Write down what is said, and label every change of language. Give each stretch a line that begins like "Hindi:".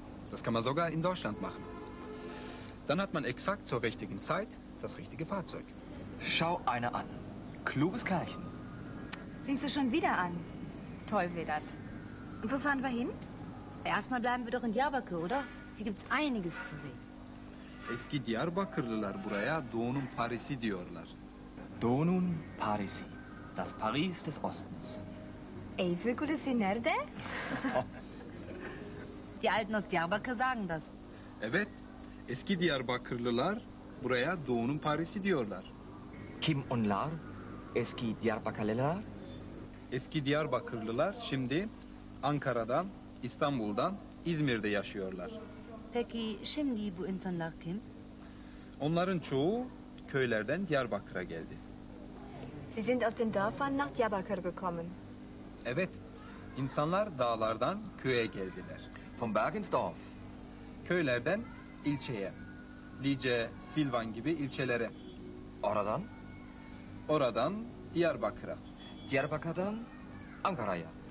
German: Das kann man sogar in Deutschland machen. Dann hat man exakt zur richtigen Zeit das richtige Fahrzeug. Schau eine an. Kluges Kerlchen. Fingst du schon wieder an? Toll, Vedat. Und wo fahren wir hin? Erstmal bleiben wir doch in Diyarbakır, oder? Hier gibt's einiges zu sehen.
Turkish: Eski Diyarbakırlılar buraya Donun Paris'i diyorlar. Donun Paris'i.
German: Das Paris des Ostens.
Turkish: Eyfel Kulesi nerede?
German: Die Alten aus Diyarbakır sagen das.
Turkish: Evet, eski Diyarbakırlılar buraya Donun Paris'i diyorlar. Kim onlar? Eski Diyarbakırlılar? Eski Diyarbakırlılar şimdi Ankara'dan, İstanbul'dan, İzmir'de yaşıyorlar. Peki şimdi bu insanlar kim? Onların çoğu köylerden Diyarbakır'a geldi.
German: Sie sind aus den Dörfern nach Diyarbakır gekommen.
Turkish: Evet, insanlar dağlardan köye geldiler.
German: Vom Berg ins Dorf.
Turkish: Köylerden ilçeye. Lice, Silvan gibi ilçelere. Oradan? Oradan Diyarbakır'a. Diyarbakır'dan Ankara'ya.